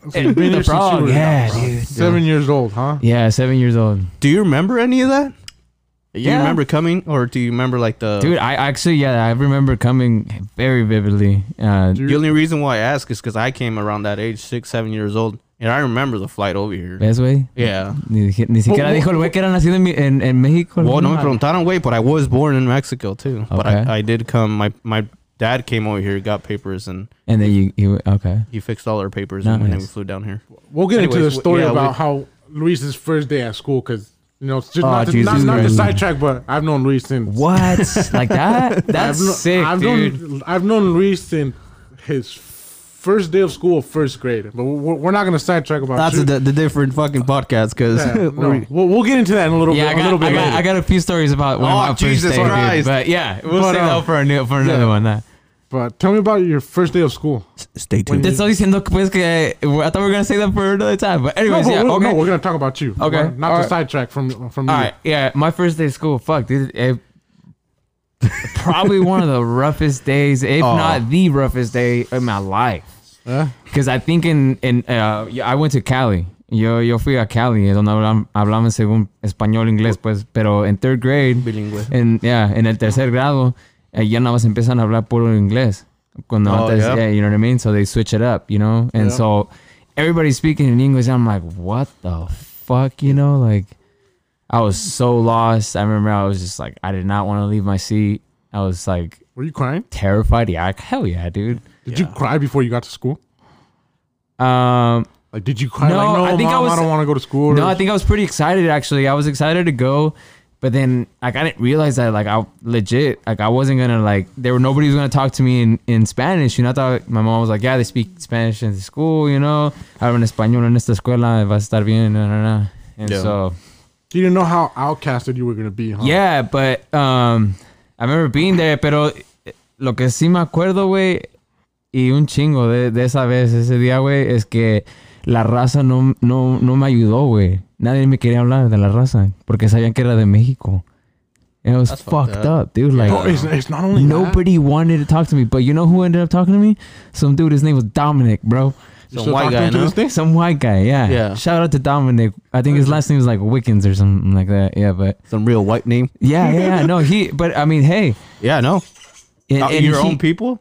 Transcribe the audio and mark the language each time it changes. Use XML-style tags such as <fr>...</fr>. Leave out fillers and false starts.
<en>The frog, dude. 7 years old, huh? Yeah, 7 years old. Do you remember any of that? You remember coming, or do you remember like the... Dude, I remember coming very vividly. The only reason why I ask is because I came around that age, 6, 7 years old. And I remember the flight over here.</en> <es>¿Ves, güey?</es> <en>Yeah.</en> <es>Ni siquiera dijo el güey que era nacido en México.</es> <en>Well,</en> <es>no me preguntaron, güey,</es> <en>but I was born in Mexico, too. Okay. But I did come. My dad came over here, got papers, and... And then he fixed all our papers, and then we flew down here. We'll get into the story about how Luis's first day at school, because Not to sidetrack, but I've known Luis since. What? Like that? That's sick, dude. I've known Luis since his first day of school, first grade. But we're not going to sidetrack about that. That's the different fucking podcast, because... we'll get into that in a little bit later. I got a few stories about my first day, dude. But yeah, we'll save that for another one. But tell me about your first day of school. Stay tuned.</en> <es>Te estoy diciendo pues que</es> <en>I thought we were gonna say that for another time. But anyways, we're gonna talk about you. Okay, not to sidetrack from you. All right, yeah, my first day of school. Fuck, dude. Probably one of the roughest days, if not the roughest day in my life. Because I think I went to Cali.</en> <es>Yo fui a Cali, donde hablamos según español inglés pues, pero</es> <en>in third grade.</en> <es>Bilingüe. En el tercer grado. Ya nada más empiezan a hablar puro inglés.</es> <en>You know what I mean? So they switch it up, you know? And so everybody's speaking in English. I'm like, what the fuck, you know? Like, I was so lost. I remember I was just like, I did not want to leave my seat. I was like... Were you crying? Terrified. Yeah, hell yeah, dude. Did you cry before you got to school? Did you cry? No, I don't want to go to school. No, I think I was pretty excited, actually. I was excited to go. But then, like, I didn't realize that, like, nobody was going to talk to me in Spanish, you know? I thought my mom was like, yeah, they speak Spanish in the school, you know?</en> <es>Hablan español en esta escuela, va a estar bien, so.</es> <en>You didn't know how outcasted you were going to be, huh? Yeah, but I remember being there,</en> <es>pero lo que sí me acuerdo, güey, y un chingo de esa vez, ese día, güey, es que la raza no me ayudó, güey. Nadie me quería hablar de la raza porque sabían que era de México.</es> <en>And it was That's fucked up, dude. Like, no, it's not only nobody that. Wanted to talk to me. But you know who ended up talking to me? Some dude. His name was Dominic, bro. Some white guy. Yeah. Shout out to Dominic. I think his last name is like Wickens or something like that. Yeah, but some real white name. Yeah. No, he. But I mean, hey. Yeah. No. Your own people.</en>